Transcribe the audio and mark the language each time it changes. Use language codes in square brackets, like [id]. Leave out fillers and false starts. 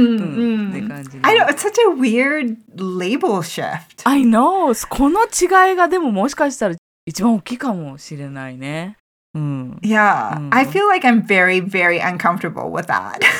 [en] I know it's such a weird label shift I know [ja] この違いがでももしかしたら一番大きいかもしれないね、 [en] yeah I feel like I'm very very uncomfortable with that